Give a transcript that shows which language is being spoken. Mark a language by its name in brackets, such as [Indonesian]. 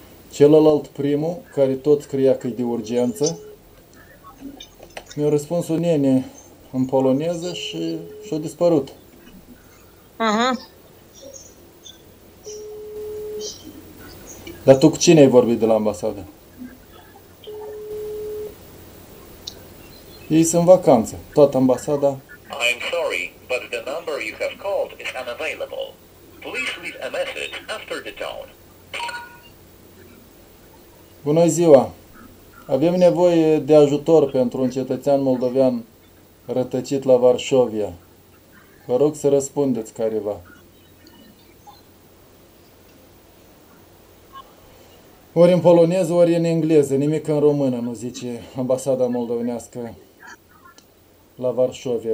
[Romanian] Celălalt primul, care tot scria că e de urgență, mi-a răspuns o nene în poloneză și și-a dispărut. Aha. Dar tu cu cine ai vorbit de la ambasadă? Ei sunt în vacanță, toată ambasada. [English] I'm sorry, but the number you have called is unavailable. Please leave a message after the tone. [Romanian] Bună ziua! Avem nevoie de ajutor pentru un cetățean moldovean rătăcit la Varșovia. Vă rog să răspundeți careva. Ori în poloneză, ori în engleză, nimic în română, nu zice ambasada moldovenească la Varșovia.